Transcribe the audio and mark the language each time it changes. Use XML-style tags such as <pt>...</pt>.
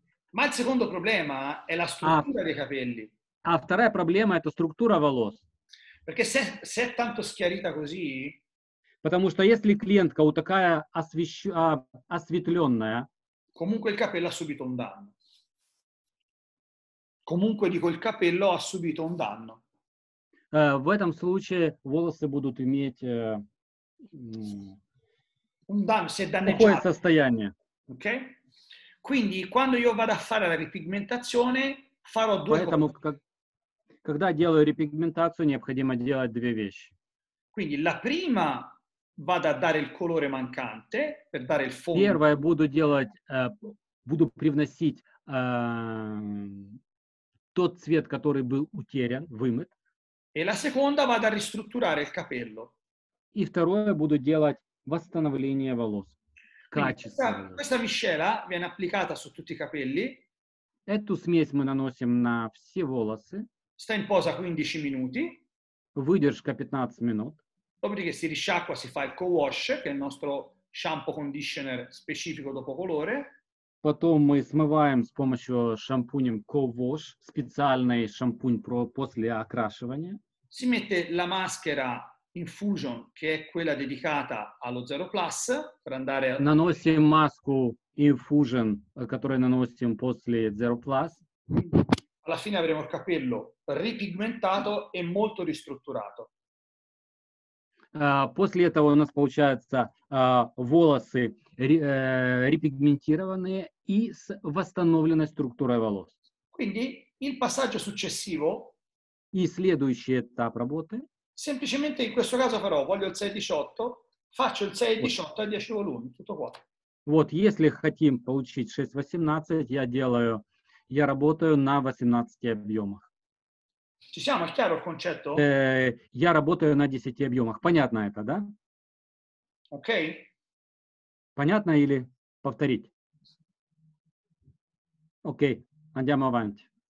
<it>Ma il secondo problema è la struttura dei capelli.</it> <ru>А вторая проблема это структура волос.</ru> <it>Perché se è tanto schiarita così?</it> <ru>Потому что если клиентка у такая осветленная.</ru> <it>Comunque il capello ha subito un danno. Comunque dico il capello ha subito un danno.</it> <ru>В этом случае волосы будут иметь</ru> <it>un danno, si è danneggiato.</it> <ru>Такое состояние.</ru> <it>Ok? Quindi quando io vado a fare la ripigmentazione, Фаро дуэ...</it> <ru>Поэтому, когда делаю репигментацию, необходимо делать две вещи.</ru> <it>Quindi la prima vado a dare il colore mancante per dare il fondo.</it> <ru>Первое буду делать, буду привносить тот цвет, который был утерян, вымыт.</ru> <it>E la seconda vado a ristrutturare il capello.</it> <ru>И второе буду делать восстановление волос.</ru> <it>Questa miscela viene applicata su tutti i capelli.</it> <ru>Эту смесь мы наносим на все волосы.</ru> <it>Sta in posa 15 minuti.</it> <ru>Выдержка 15 минут.</ru> <it>Dopodiché si risciacqua, si fa il co-wash, che è il nostro shampoo conditioner specifico dopo colore.</it> <ru>Потом мы смываем с помощью шампуня co-wash, специальный шампунь после окрашивания.</ru> <it>Si mette la maschera infusion, che è quella dedicata allo Zero Plus, per andare a...</it> <ru>Наносим маску infusion, которую наносим после Zero Plus.</ru> <it>Alla fine avremo il capello ripigmentato e molto ristrutturato.</it> <ru>После этого у нас получаются волосы репигментированные и с восстановленной структурой волос.</ru> <it>Quindi il passaggio successivo.</it> <ru>И следующий этап работы.</ru> <it>Semplicemente in questo caso farò, voglio il 6-18, faccio il 6-18 a 10 volumi, tutto qua.</it> <ru>Вот, если хотим получить 6-18, я работаю на 18 объемах.</ru> <it>Ci siamo, è chiaro il concetto?</it> <ru>Я работаю на 10 объемах. Понятно это, да? Окей. Понятно или повторить?</ru> <it>Окей, andiamo avanti.</it>